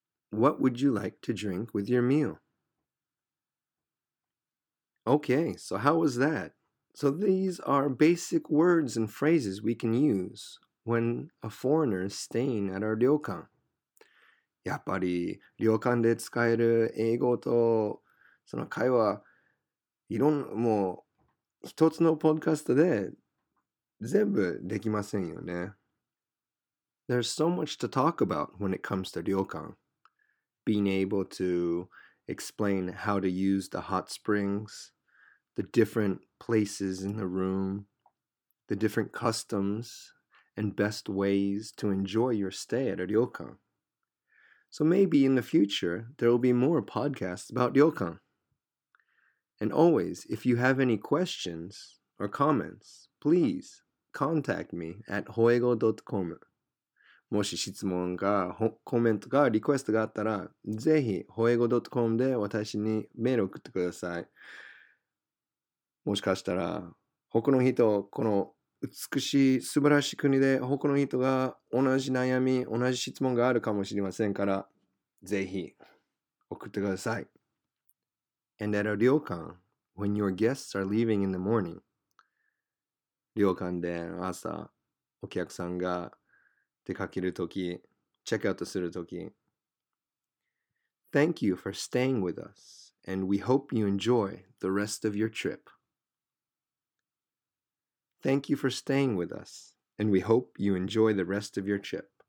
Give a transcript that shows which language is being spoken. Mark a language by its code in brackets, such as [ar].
[en] What would you like to drink with your meal? Okay, so how was that? So these are basic words and phrases we can use when a foreigner is staying at our 旅館. [ja] やっぱり旅館で使える英語とその会話、いろんな、もう一つのポッドキャストで全部できませんよね。 [en] There's so much to talk about when it comes to 旅館. Being able to explain how to use the hot springs, the different places in the room, the different customs, and best ways to enjoy your stay at a 旅館. So maybe in the future, there will be more podcasts about 旅館. And always, if you have any questions or comments, please contact me at hoego.com. [ja] もし質問か、コメントか、リクエストがあったら、ぜひ hoego.com で私にメール送ってください。もしかしたら他の人、この美しい素晴らしい国で他の人が同じ悩み同じ質問があるかもしれませんから、ぜひ送ってください。 [en] And at a 旅館 when your guests are leaving in the morning, [ja] 旅館で朝お客さんが出かけるとき、チェックアウトするとき、 [en] Thank you for staying with us and we hope you enjoy the rest of your tripThank you for staying with us, and we hope you enjoy the rest of your trip.